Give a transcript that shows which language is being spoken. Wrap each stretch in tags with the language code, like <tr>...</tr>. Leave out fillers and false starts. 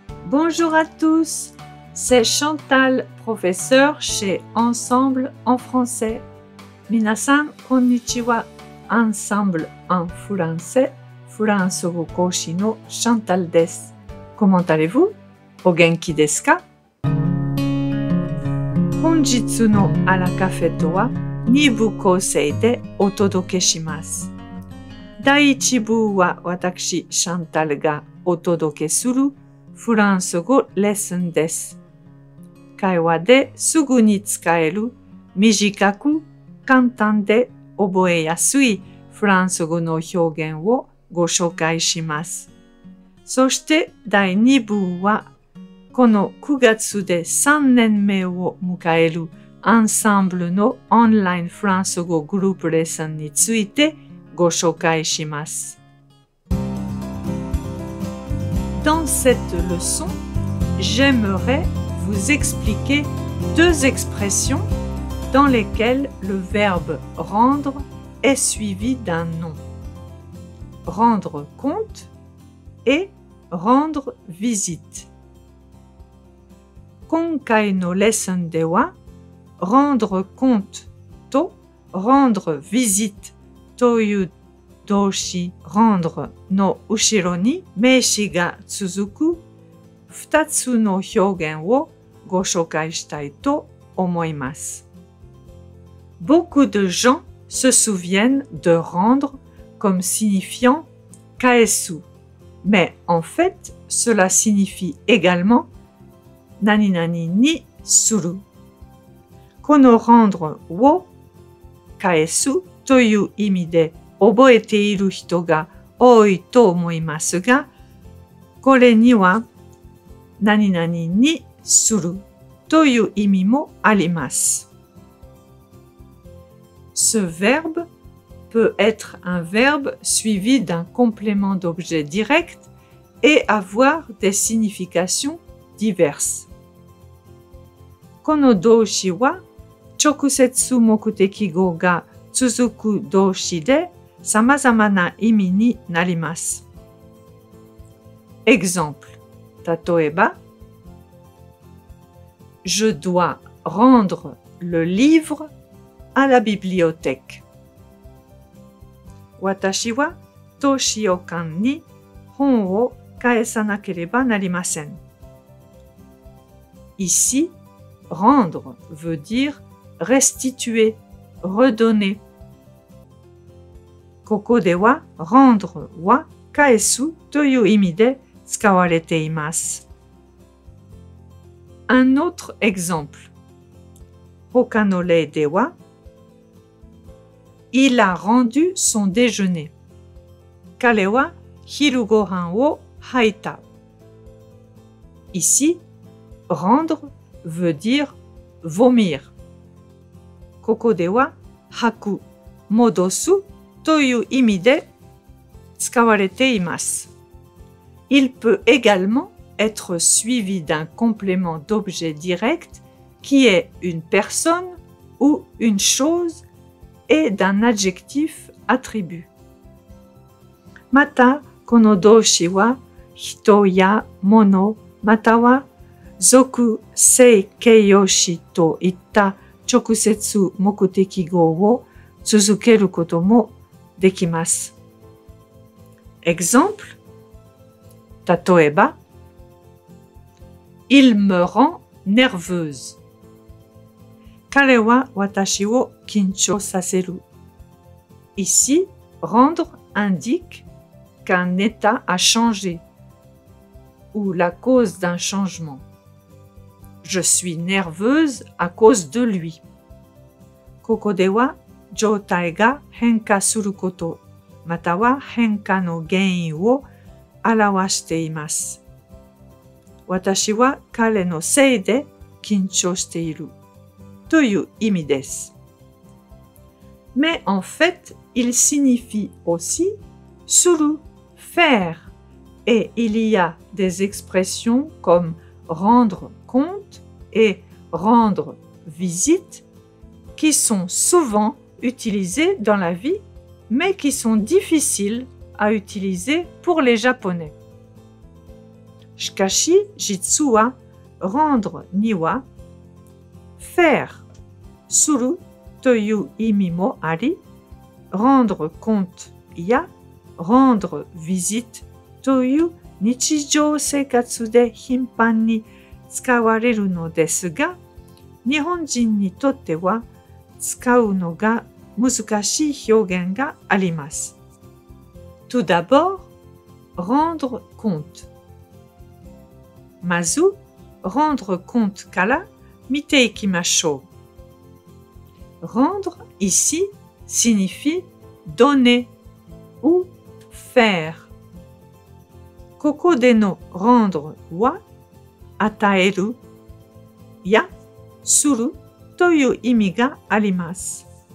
<fr>Bonjour à tous, c'est Chantal, professeur chez Ensemble en français.</fr> <ja>皆さん、こんにちは。Ensemble en français. フランス語講師のシャンタルです。</ja> <fr>Comment allez-vous?</fr> <ja>お元気ですか？本日のアラカフェットは2部構成でお届けします。第1部は私、シャンタルがお届けするフランス語レッスンです。会話ですぐに使える短く簡単で覚えやすいフランス語の表現をご紹介します。そして第2部は、この9月で3年目を迎えるアンサンブルのオンラインフランス語グループレッスンについてご紹介します。</ja> <fr>Dans cette leçon, j'aimerais vous expliquer deux expressions dans lesquelles le verbe rendre est suivi d'un nom. Rendre compte et rendre visite.</fr> <ja>今回のレッスンでは、rendre compte と rendre visite という動詞 rendre の後ろに名詞が続く2つの表現をご紹介したいと思います。</ja> <fr>Beaucoup de gens se souviennent de rendre comme signifiant Kaesu. Mais en fait, cela signifie également</fr> <ja>naninani ni suru. Kono rendre wo kaesu という意味で覚えている人が多いと思いますが、これには naninani ni suru という意味もあります。</ja> <fr>Ce verbe,peut être un verbe suivi d'un complément d'objet direct et avoir des significations diverses.</fr> <ja>この動詞は直接目的語が続く動詞で様々な意味になります。</ja> <fr>Exemple,</fr> <ja>例えば</ja> <fr>Je dois rendre le livre à la bibliothèque.</fr> <ja>私は図書館に本を返さなければなりません。</ja> <fr>Ici, rendre veut dire restituer, redonner.</fr> <ja>ここでは、rendre は返すという意味で使われています。</ja> <fr>Un autre exemple.</fr> <ja>他の例では、</ja> <fr>Il a rendu son déjeuner.</fr> <ja>彼は昼ごはんを配た。</ja> <fr>Ici, rendre veut dire vomir.</fr> <ja>ここでは吐く、戻すという意味で使われています。</ja> <fr>Il peut également être suivi d'un complément d'objet direct qui est une personne ou une chose. Et d'un adjectif attribut.</fr> <ja>また、この動詞は、人や物、または、属性形容詞といった直接目的語を続けることもできます。</ja> <fr>Exemple,</fr> <ja>例えば、</ja> <fr>Il me rend nerveuse.</fr> <ja>彼は私を緊張させる。</ja> <fr>Ici, rendre indique qu'un état a changé ou la cause d'un changement. Je suis nerveuse à cause de lui.</fr> <ja>ここでは状態が変化すること、または変化の原因を表しています。私は彼のせいで緊張している。という意味です。</ja> <fr>Mais en fait, il signifie aussi</fr> <ja>する、</ja> <fr>faire Et il y a des expressions comme rendre compte et rendre visite qui sont souvent utilisées dans la vie, mais qui sont difficiles à utiliser pour les Japonais.</fr> <ja>Shikashi jitsu wa rendre ni wa faire suru という意味もあり、rendre compte や rendre visite という日常生活で頻繁に使われるのですが、日本人にとっては使うのが難しい表現があります。</ja> <fr>Tout d'abord, rendre compte.</fr> <ja>まず、rendre compte から見ていきましょう。</ja> <fr>Rendre ici signifie donner ou faire.</fr> <ja>Koko de no rendre wa ataeru ya suru という意味があります。</ja>